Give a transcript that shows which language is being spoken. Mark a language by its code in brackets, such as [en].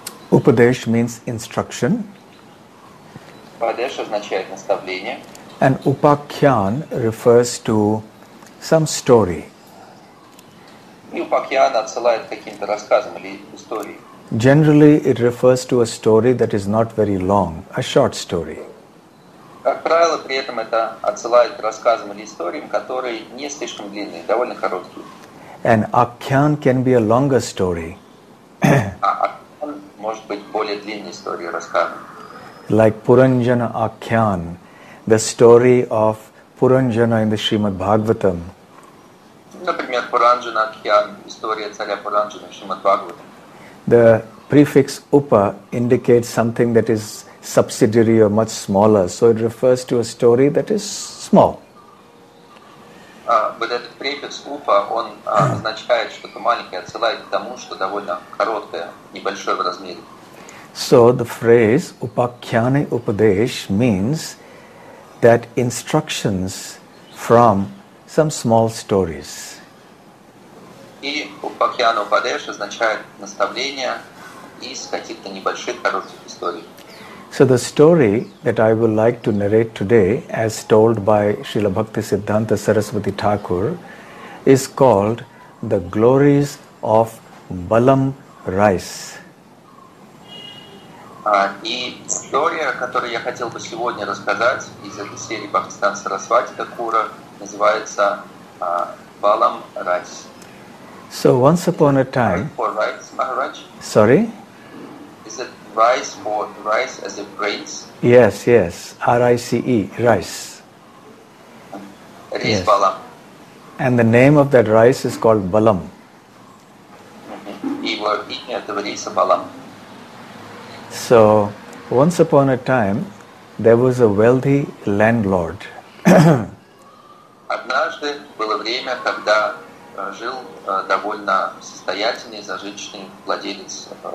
[en] Упадеш means instruction. [ru] Упадеш означает наставление. [en] And Упакьян refers to some story. [ru] И Упакьян отсылает к каким-то рассказам или истории. [en] Generally, it refers to a story that is not very long, a short story. [ru] Как правило, при этом это отсылает к рассказам или историям, которые не слишком длинные, довольно короткие. [en] And akhyan can be a longer story. [ru] Akhyan может быть более длинной историей, рассказом. [en] Like Puranjana Akhyan, the story of Puranjana in the Srimad Bhagavatam. [ru] Например, Puranjana Akhyan, история царя Puranjana в Srimad Bhagavatam. [en] The prefix upa indicates something that is subsidiary or much smaller, so it refers to a story that is small. But that prefix upa, [ru] он означает что-то маленькое, отсылает к тому, что довольно короткое, небольшое в размере. [en] So the phrase upakhyane upadesh means that instructions from some small stories. [ru] И upakhyane upadesh означает наставления из каких-то небольших коротких историй. [en] So the story that I would like to narrate today, as told by Srila Bhaktisiddhanta Saraswati Thakur, is called The Glories of Balam Rice. [ru] И история, которую я хотел бы сегодня рассказать из этой серии Бхактисиддханта Сарасвати Такура, называется Balam Rice. [en] So once upon a time... For rice, Maharaj? Sorry? Is it rice for rice as in grains? Yes, yes. R-I-C-E, rice. Rice, yes. Balam. And the name of that rice is called Balam. Mm-hmm. We were eating at the rice Balam. So, once upon a time, there was a wealthy landlord. [ru] Однажды было время, когда жил довольно состоятельный, зажиточный владелец